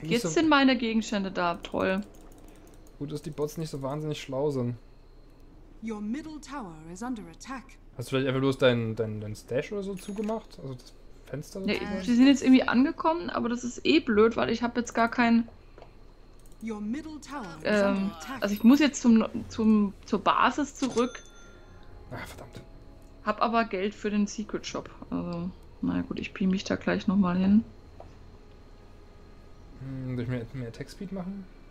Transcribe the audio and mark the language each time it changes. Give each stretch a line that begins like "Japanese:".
German: Jetzt sind meine Gegenstände da, toll. Gut, dass die Bots nicht so wahnsinnig schlau sind.
English: Your middle tower is under attack.
German: Hast du vielleicht einfach bloß dein Stash oder so zugemacht? Also das Fenster? Ja, die sind jetzt irgendwie angekommen, aber das ist eh blöd, weil ich habe jetzt gar kein...
English: Your middle tower is under attack.
German: Also ich muss jetzt zur Basis zurück. Ach, verdammt. Hab aber Geld für den Secret Shop. Also, na gut, ich beam mich da gleich nochmal hin. Soll ich mehr Attack Speed machen?